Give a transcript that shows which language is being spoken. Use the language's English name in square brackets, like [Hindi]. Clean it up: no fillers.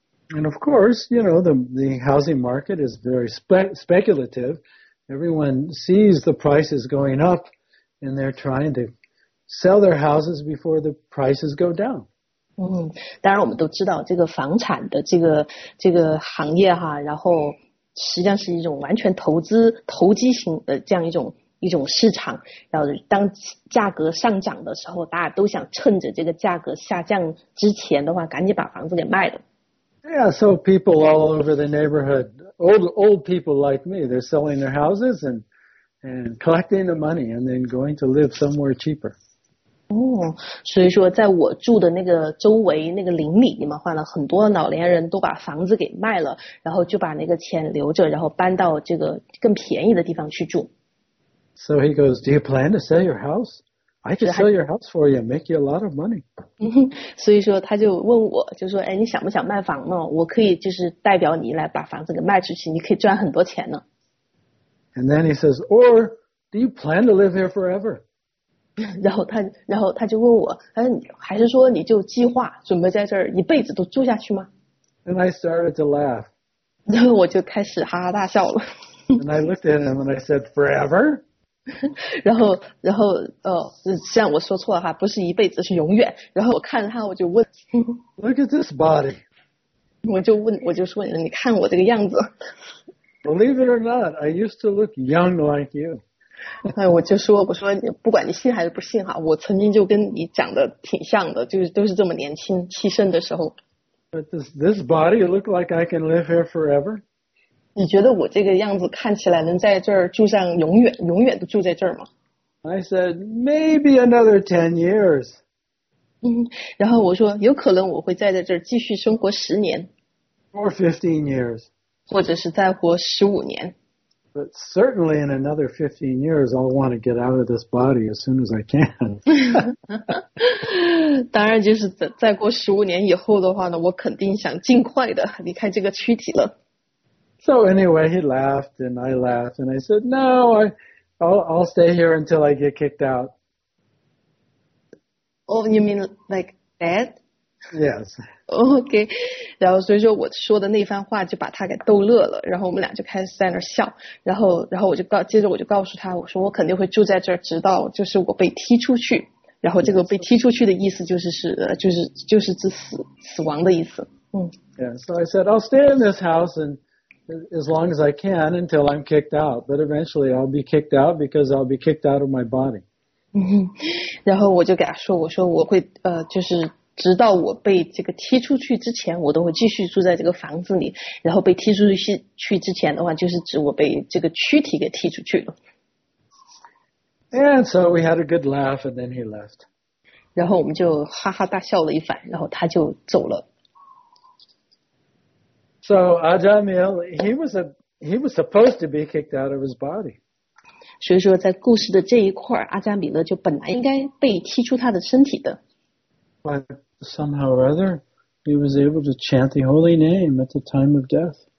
[English] And of course, you know, the housing market is very speculative. Everyone sees the prices going up and they're trying to sell their houses before the prices go down. [Chinese] 当然我们都知道这个房产的这个行业哈，然后实际上是一种完全投机型的这样一种市场，然后当价格上涨的时候，大家都想趁着这个价格下降之前的话赶紧把房子给卖了。 [English] Yeah, so people all over the neighborhood, old people like me, they're selling their houses and collecting the money and then going to live somewhere cheaper. [Chinese] 所以说在我住的那个周围那个邻里里面换了很多老年人都把房子给卖了，然后就把那个钱留着，然后搬到这个更便宜的地方去住。 [English] So he goes, do you plan to sell your house? I could sell your house for you, make you a lot of money. [Chinese] 所以说他就问我，就说哎，你想不想卖房呢？我可以就是代表你来把房子给卖出去，你可以赚很多钱呢。 [English] And then he says, or do you plan to live here forever? [Chinese] 然后他就问我，还是说你就计划准备在这儿一辈子都住下去吗？ [English] And I started to laugh. [Chinese] 然后我就开始哈哈大笑了。 [English] And I looked at him and I said, forever? [Chinese] 然后像我说错了哈，不是一辈子，是永远。然后我看着他，我就问 [English] Look at this body. [Chinese] 我就说你看我这个样子。 [English] Believe it or not, I used to look young like you. [Chinese] 我说不管你信还是不信哈，我曾经就跟你长得挺像的，就是都是这么年轻气盛的时候。 [English] But does this body look like I can live here forever? [Chinese] 你觉得我这个样子看起来能在这儿住上永远都住在这儿吗？ [English] I said, maybe another 10 years. [Chinese] 然后我说有可能我会在这儿继续生活十年。 [English] Or 15 years. [Chinese] 或者是再活15年。 [English] But certainly in another 15 years, I'll want to get out of this body as soon as I can. [Chinese] 当然就是再过15年以后的话呢，我肯定想尽快的离开这个躯体了。 [English] So anyway, he laughed and I laughed and I said, no, I'll stay here until I get kicked out. Oh, you mean like dead? Yes. Okay. [Chinese] 然后所以说我说的那番话就把他给逗乐了，然后我们俩就开始在那笑，然后我就告诉他，我说我肯定会住在这儿，直到就是我被踢出去。然后这个被踢出去的意思就是指死亡的意思。 [English] Yeah. So I said I'll stay in this house and as long as I can until I'm kicked out. But eventually I'll be kicked out because I'll be kicked out of my body. [Chinese] 然后我就给他说，我说我会就是。直到我被这个踢出去之前，我都会继续住在这个房子里。然后被踢出去之前的话，就是指我被这个躯体给踢出去了。 [English] And so we had a good laugh, and then he left. [Chinese] 然后我们就哈哈大笑了一番，然后他就走了。 [English] So Ajamil, he was supposed to be kicked out of his body. [Chinese] 所以说在故事的这一块，阿加米勒就本来应该被踢出他的身体的。 [English] But somehow or other, he was able to chant the holy name at the time of death.